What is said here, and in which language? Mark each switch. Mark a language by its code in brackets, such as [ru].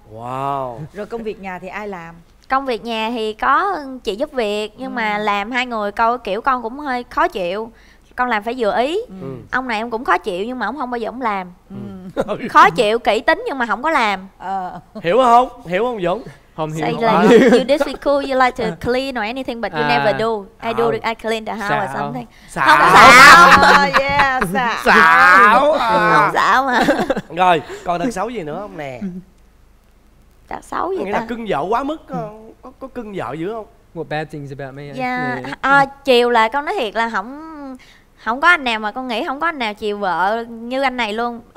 [en] Wow. [vi] Rồi công việc nhà thì ai làm? Công việc nhà thì có chị giúp việc, nhưng mà làm hai người câu kiểu con cũng hơi khó chịu. Con làm phải vừa ý. Ông này em cũng khó chịu nhưng mà ông không bao giờ ông làm. Khó chịu, kỹ tính nhưng mà không có làm. Hiểu không? Hiểu không Dũng? Không hiểu. [en] Say like, you this is cool, you like to clean or anything but you never do. I do, I clean the house or something. [vi] Xạo. Không xạo. [en] Yeah, [vi] xạo. Không xạo mà. Rồi, còn tật xấu gì nữa không nè? Tật xấu gì ta? Nghĩa là cưng vợ quá mức, có cưng vợ dữ không? [en] What bad things about me? [vi] Yeah, chiều là con nói thiệt là không có anh nào mà con nghĩ không có anh nào chiều vợ như anh này luôn.